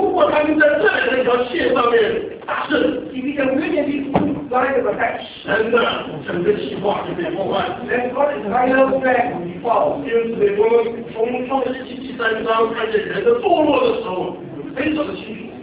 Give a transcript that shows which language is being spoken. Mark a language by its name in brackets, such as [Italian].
[Chinese] 如果他能在这两条线上面大胜， [English] if he can win these two lines of attack, [Chinese] 神的整个计划就被破坏。 [English] Then God is final plan will be foiled. [Chinese] 因此，我们从创世纪第三章看见人的堕落的时候，非常的清楚。